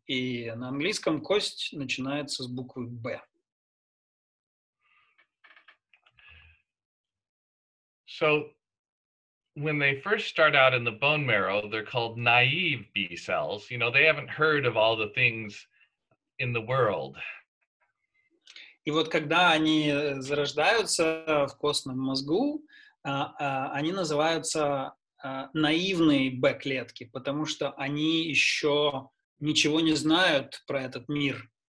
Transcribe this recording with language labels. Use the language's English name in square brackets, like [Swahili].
[Russian] И на английском кость начинается с буквы B. [English] So when they first start out in the bone marrow, they're called naive B cells. You know, they haven't heard of all the things in the world. [Russian] И вот когда они зарождаются в костном мозгу, они называются наивные B-клетки, потому что они еще ничего не знают про этот мир.